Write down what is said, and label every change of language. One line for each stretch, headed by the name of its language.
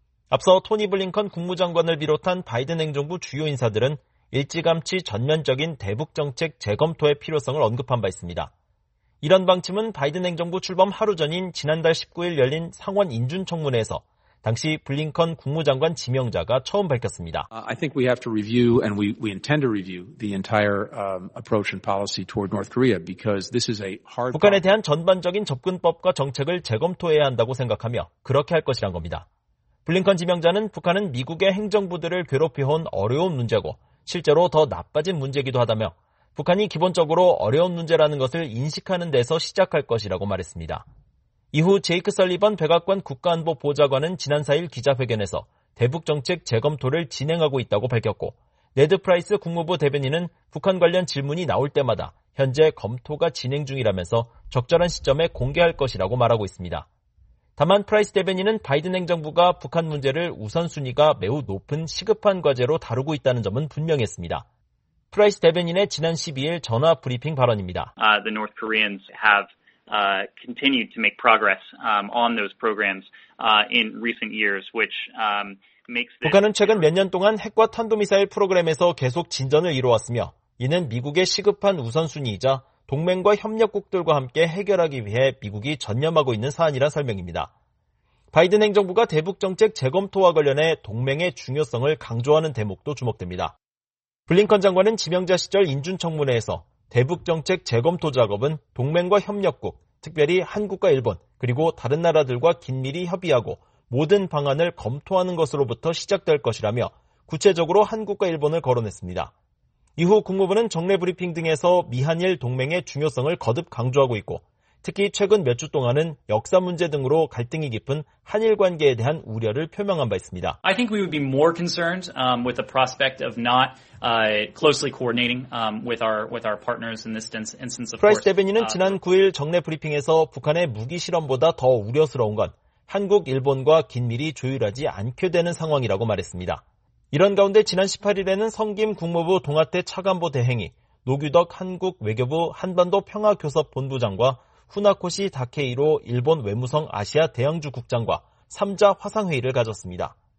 Korean: 앞서 토니 블링컨 국무장관을 비롯한 바이든 행정부 주요 인사들은 일찌감치 전면적인 대북 정책 재검토의 필요성을 언급한 바 있습니다. 이런 방침은 바이든 행정부 출범 하루 전인 지난달 19일 열린 상원 인준청문회에서 당시 블링컨 국무장관 지명자가 처음 밝혔습니다.
English: I think we have to review and we intend to review the entire approach and policy toward North Korea because this is a hard
Korean: 북한에 대한 전반적인 접근법과 정책을 재검토해야 한다고 생각하며 그렇게 할 것이란 겁니다. 블링컨 지명자는 북한은 미국의 행정부들을 괴롭혀온 어려운 문제고 실제로 더 나빠진 문제이기도 하다며 북한이 기본적으로 어려운 문제라는 것을 인식하는 데서 시작할 것이라고 말했습니다. 이후 제이크 설리번 백악관 국가안보보좌관은 지난 4일 기자회견에서 대북정책 재검토를 진행하고 있다고 밝혔고 네드 프라이스 국무부 대변인은 북한 관련 질문이 나올 때마다 현재 검토가 진행 중이라면서 적절한 시점에 공개할 것이라고 말하고 있습니다. 다만 프라이스 대변인은 바이든 행정부가 북한 문제를 우선순위가 매우 높은 시급한 과제로 다루고 있다는 점은 분명했습니다. 프라이스 대변인의 지난 12일 전화 브리핑 발언입니다.
English: The North Koreans have continued to make progress on those programs in recent years, which makes this...
Korean: 북한은 최근 몇 년 동안 핵과 탄도미사일 프로그램에서 계속 진전을 이루었으며 이는 미국의 시급한 우선순위이자 동맹과 협력국들과 함께 해결하기 위해 미국이 전념하고 있는 사안이라 설명입니다. 바이든 행정부가 대북정책 재검토와 관련해 동맹의 중요성을 강조하는 대목도 주목됩니다. 블링컨 장관은 지명자 시절 인준청문회에서 대북정책 재검토 작업은 동맹과 협력국, 특별히 한국과 일본, 그리고 다른 나라들과 긴밀히 협의하고 모든 방안을 검토하는 것으로부터 시작될 것이라며 구체적으로 한국과 일본을 거론했습니다. 이후 국무부는 정례 브리핑 등에서 미한일 동맹의 중요성을 거듭 강조하고 있고 특히 최근 몇 주 동안은 역사 문제 등으로 갈등이 깊은 한일 관계에 대한 우려를 표명한 바 있습니다.
English: I think we would be more concerned with the prospect of not closely coordinating with our partners in this instance of course.
Korean: 프라이스 대변인은 지난 9일 정례 브리핑에서 북한의 무기 실험보다 더 우려스러운 건 한국, 일본과 긴밀히 조율하지 않게 되는 상황이라고 말했습니다. 이런 가운데 지난 18일에는 성김 국무부 동아태 차관보 대행이 노규덕 한국 외교부 한반도 평화교섭 본부장과 후나코시 다케이로 일본 외무성 아시아 대양주 국장과 3자 화상회의를 가졌습니다.